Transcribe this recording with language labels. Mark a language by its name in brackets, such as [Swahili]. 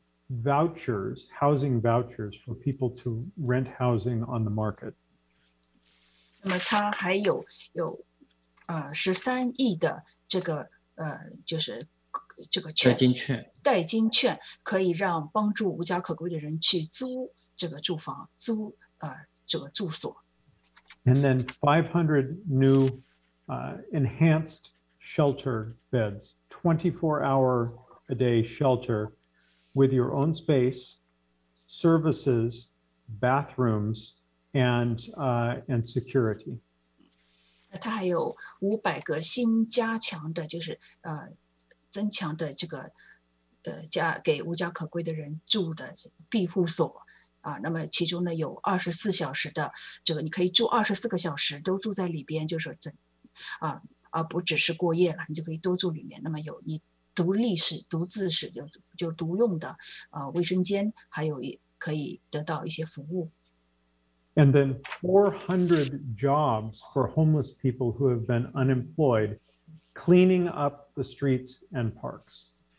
[English] vouchers, housing vouchers for people to rent housing on the market. [Chinese] 那么它还有有呃十三亿的这个呃就是这个券代金券，代金券可以让帮助无家可归的人去租这个住房，租呃这个住所。 [English] And then 500 new enhanced shelter beds, 24-hour a day shelter with your own space, services, bathrooms, and security. [Chinese] 它还有500个新加强的，就是增强的这个家给无家可归的人住的庇护所。那么其中呢有24小时的这个你可以住24个小时都住在里边，就是整不只是过夜了，你就可以多住里面。那么有你独立式独自式 就独用的卫生间，还有可以得到一些服务。 [English] And then 400 jobs for homeless people who have been unemployed, cleaning up the streets and parks.